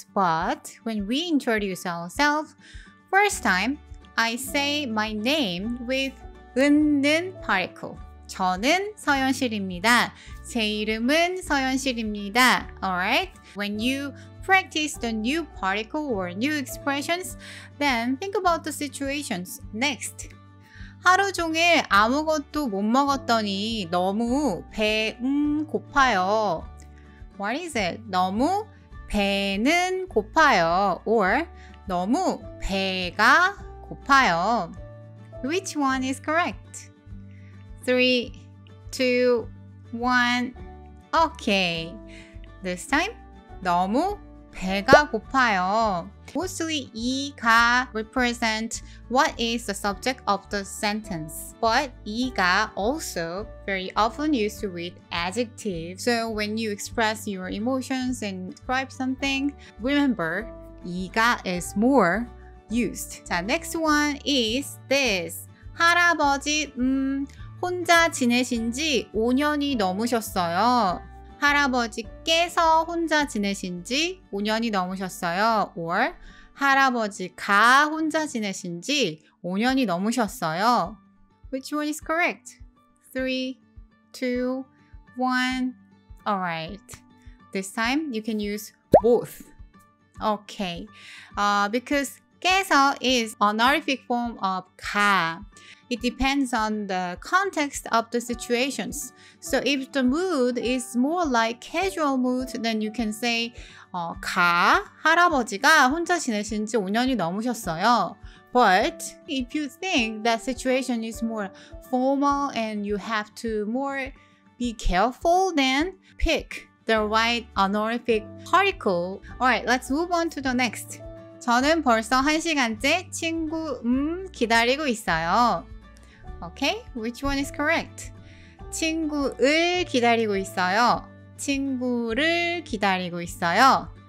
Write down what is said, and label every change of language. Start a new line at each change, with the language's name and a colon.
English: But when we introduce ourselves, first time, I say my name with 은는 particle.
Korean: 저는 서현실입니다. 제 이름은 서현실입니다.
English: Alright? When you practice the new particle or new expressions, then think about the situations. Next.
Korean: 하루 종일 아무것도 못 먹었더니 너무 배는 고파요.
English: What is it?
Korean: 너무 배는 고파요. Or 너무 배가 고파요.
English: Which one is correct? 3, 2, 1. Okay. This time,
Korean: 너무 배가 고파요.
English: Mostly 이가 represent what is the subject of the sentence. But 이가 also very often used with adjective. So when you express your emotions and describe something, remember 이가 is more used. 자, next one is this.
Korean: 할아버지 혼자 지내신 지 5년이 넘으셨어요. 할아버지께서 혼자 지내신 지 5년이 넘으셨어요. Or 할아버지가 혼자 지내신 지 5년이 넘으셨어요.
English: Which one is correct? 3, 2, 1. Alright. This time you can use both. Okay. Because 께서 is honorific form of 가. It depends on the context of the situations. So if the mood is more like casual mood, then you can say 가
Korean: 할아버지가 혼자 지내신 지 5년이 넘으셨어요.
English: But if you think that situation is more formal and you have to more be careful, then pick the right honorific particle. Alright, let's move on to the next.
Korean: 저는 벌써 한 시간째 친구 기다리고 있어요.
English: Okay, which one is correct?
Korean: 친구를 기다리고 있어요. 친구를 기다리고 있어요.